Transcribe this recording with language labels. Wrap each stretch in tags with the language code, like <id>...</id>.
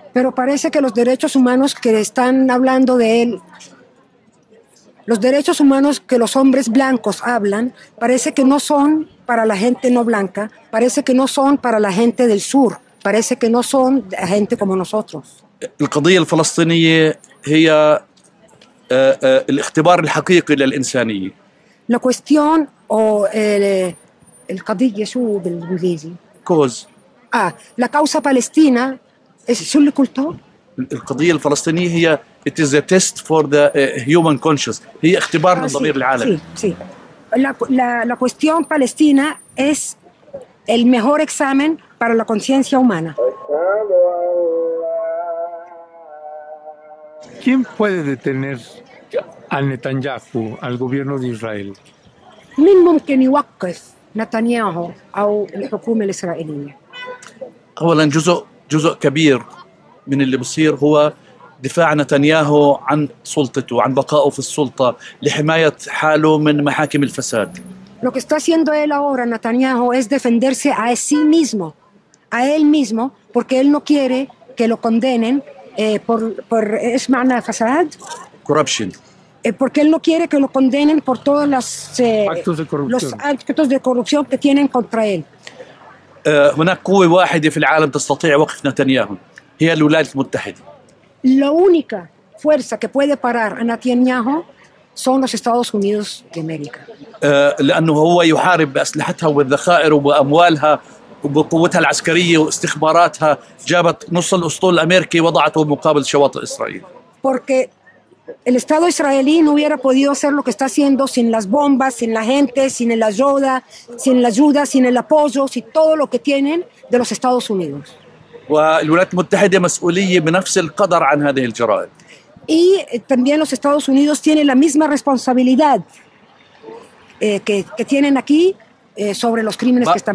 <es>Pero parece que los derechos humanos que están hablando de él, los derechos humanos que los hombres blancos hablan, parece que no son para la gente no blanca, parece que no son para la gente del sur, parece que no son gente como nosotros.</es> <ar>القضية الفلسطينية هي الاختبار الحقيقي للإنسانية.</ar> <es>La cuestión o el</es> <ar>قضية شو بالإنجليزي؟</ar> <en>Cause.</en> <es>Ah, la causa palestina es</es> <ar>شو اللي قلته؟ القضية الفلسطينية هي</ar> <en>it is a test for the human conscience.</en> <ar>هي اختبار للضمير العالمي.</ar> <es>Sí, sí. La cuestión palestina es el mejor examen para la conciencia humana. ¿Quién puede detener a Netanyahu, al gobierno de Israel? Ningún que ni wakif Netanyahu o el gobierno de Israel.</es> <ar>أولاً جزء كبير من اللي بصير هو دفاع نتنياهو عن سلطته عن بقائه في السلطة لحماية حاله من محاكم الفساد.</ar> <es>Lo que está haciendo él ahora, Netanyahu, es defenderse a sí mismo, a él mismo, porque él no quiere que lo condenen por ¿es</es> <ar>معنى فساد?</ar> <en>Corruption.</en> <es>Porque él no quiere que lo condenen por todos los actos de corrupción que tienen contra él.</es> <ar>هناك قوة واحدة في العالم تستطيع وقف نتنياهو هي الولايات المتحدة.</ar> <es>La única fuerza que puede parar a Netanyahu son los Estados Unidos de América.</es> <ar>لأنه هو يحارب بأسلحتها وبالذخائر وبأموالها وبقوتها العسكرية واستخباراتها جابت نص الأسطول الأمريكي وضعته مقابل شواطئ إسرائيل.</ar> <es>Porque el Estado israelí no hubiera podido hacer lo que está haciendo sin las bombas, sin la gente, sin la ayuda, sin la ayuda, sin el apoyo, sin todo lo que tienen de los Estados Unidos.</es> <ar>والولايات المتحدة مسؤولية بنفس القدر عن هذه الجرائم.</ar> <es>Y también los Estados Unidos tienen la misma responsabilidad que tienen aquí sobre los crímenes que están</es>